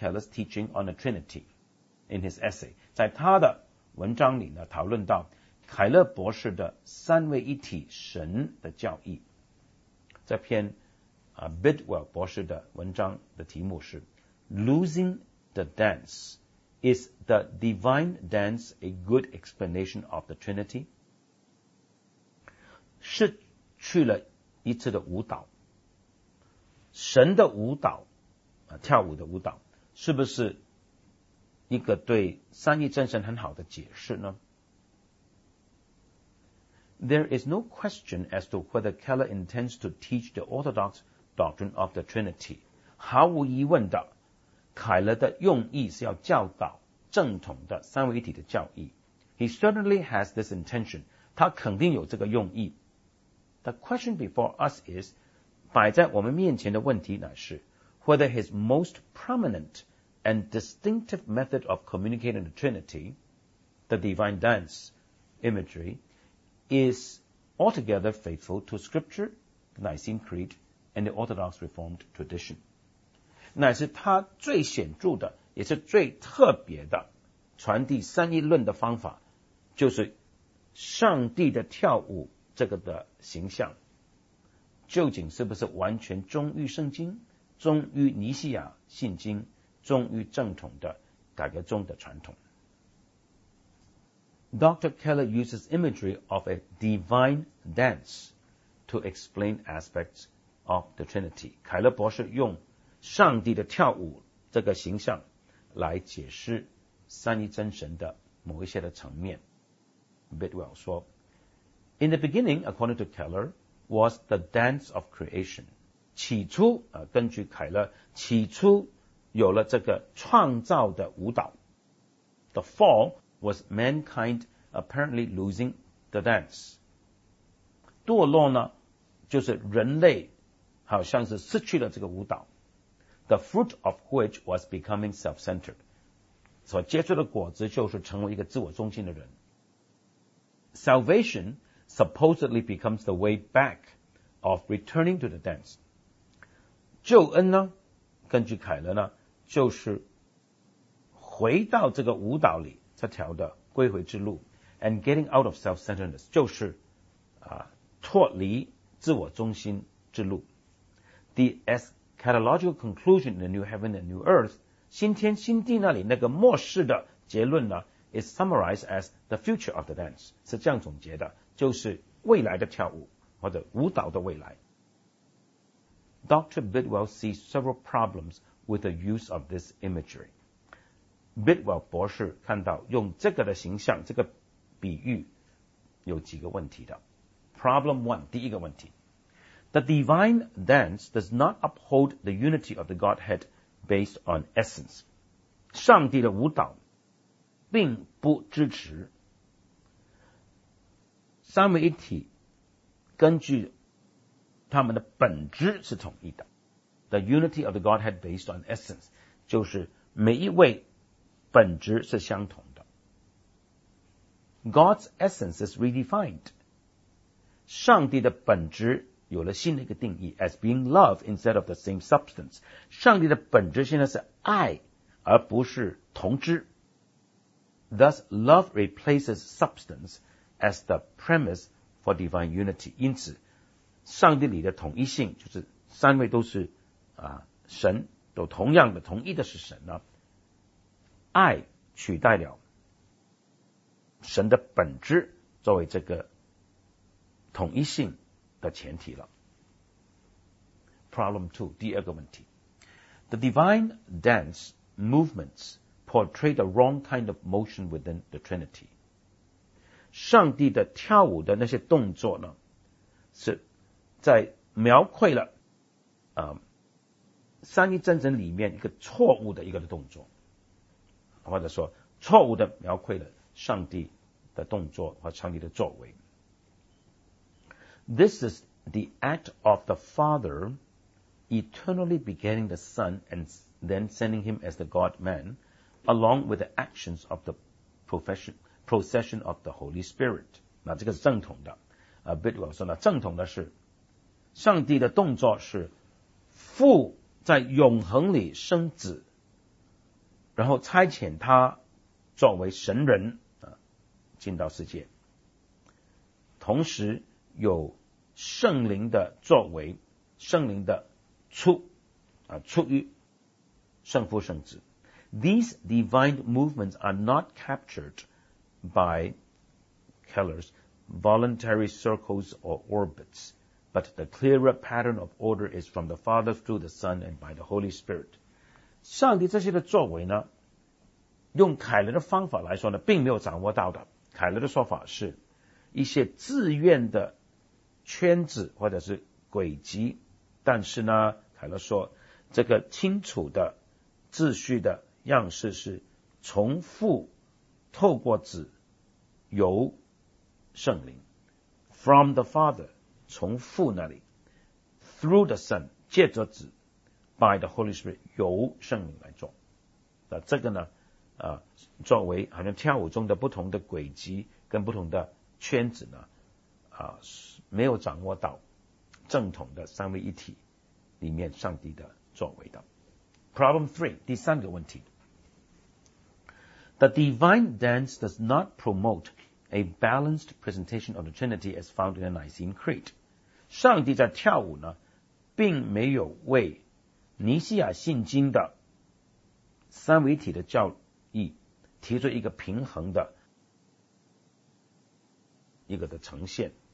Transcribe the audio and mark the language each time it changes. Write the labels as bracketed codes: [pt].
[en] Keller's teaching on the Trinity in his essay [zh] 在他的文章里呢讨论到凯勒博士的三位一体神的教义。这篇Bidwell 博士的文章的题目是 Losing the Dance [en] Is the divine dance a good explanation of the Trinity? [zh] 是去了一次的舞蹈，神的舞蹈，跳舞的舞蹈，是不是一个对三一真神很好的解释呢？ [en] There is no question as to whether Keller intends to teach the Orthodox doctrine of the Trinity. [zh] 毫无疑问的，凯勒的用意是要教导正统的三位一体的教义。 [en] He certainly has this intention. [zh] 他肯定有这个用意。 [en] The question before us is, [zh] 摆在我们面前的问题乃是 [en] whether his most prominent and distinctive method of communicating the Trinity, the divine dance imagery,is altogether faithful to Scripture, the Nicene Creed, and the Orthodox Reformed tradition. [zh] 乃是他最显著的，也是最特别的传递三一论的方法，就是上帝的跳舞这个的形象，究竟是不是完全忠于圣经，忠于尼西亚信经，忠于正统的改革宗的传统。 [en] Dr. Keller uses imagery of a divine dance to explain aspects of the Trinity. [zh] 凯勒博士用上帝的跳舞这个形象来解释三一真神的某一些的层面。 [en] Bidwell [zh] 说 [en] In the beginning, according to Keller, was the dance of creation. [zh] 起初、根据凯勒起初有了这个创造的舞蹈。 [en] The fall,was mankind apparently losing the dance. [zh] 堕落呢就是人类好像是失去了这个舞蹈。 [en] The fruit of which was becoming self-centered. [zh] 所接触的果子就是成为一个自我中心的人。 [en] Salvation supposedly becomes the way back of returning to the dance. [zh] 救恩呢根据凯勒呢就是回到这个舞蹈里。这条的归回之路 [en] and getting out of self-centeredness [zh] 就是、脱离自我中心之路 [en] The eschatological conclusion in the new heaven and new earth [zh] 新天新地那里那个末世的结论呢 [en] is summarized as the future of the dance [zh] 是这样总结的就是未来的跳舞或者舞蹈的未来 [en] Dr. Bidwell sees several problems with the use of this imagery [zh] Bidwell 博士看到用这个的形象这个比喻有几个问题的 [en] Problem 1 [zh] 第一个问题 [en] The divine dance does not uphold the unity of the Godhead based on essence [zh] 上帝的舞蹈并不支持三位一体根据他们的本质是统一的 The unity of the Godhead based on essence 就是每一位本质是相同的。 [en] God's essence is redefined. [zh] 上帝的本质有了新的一个定义 [en] as being love instead of the same substance. [zh] 上帝的本质现在是爱而不是同质。 [en] Thus, love replaces substance as the premise for divine unity. [zh] 因此上帝里的统一性就是三位都是、神都同样的同一的是神呢。爱取代了神的本质作为这个统一性的前提了。 [en] Problem 2, [zh] 第二个问题。 [en] The divine dance movements portray the wrong kind of motion within the Trinity. [zh] 上帝的跳舞的那些动作呢是在描绘了、三一真神里面一个错误的一个的动作。或者说错误的描绘了上帝的动作和上帝的作为。 [en] This is the act of the Father eternally begetting the Son and then sending him as the God-man along with the actions of the procession of the Holy Spirit. [zh] 那这个是正统的。 Bidwell 说呢正统的是上帝的动作是父在永恒里生子。然后差遣他作为神人、进到世界同时有圣灵的作为圣灵的出、出于圣父圣子 [en] These divine movements are not captured by Keller's voluntary circles or orbits, but the clearer pattern of order is from the Father through the Son and by the Holy Spirit. [zh] 上帝这些的作为呢，用凯勒的方法来说呢，并没有掌握到的。凯勒的说法是，一些自愿的圈子或者是轨迹，但是呢，凯勒说，这个清楚的秩序的样式是重复透过子由圣灵 [en] from the Father [zh] 从父那里 [en] through the Son [zh] 借着子 [en] by the Holy Spirit [zh] 由圣灵来做。那这个呢作为好像跳舞中的不同的轨迹跟不同的圈子呢没有掌握到正统的三位一体里面上帝的作为的。 [en] Problem 3, [zh] 第三个问题。 [en] The divine dance does not promote a balanced presentation of the Trinity as found in the Nicene Creed. [zh] 上帝在跳舞呢并没有为尼西亚信经的三位一体的教义提出一个平衡的一个的呈现。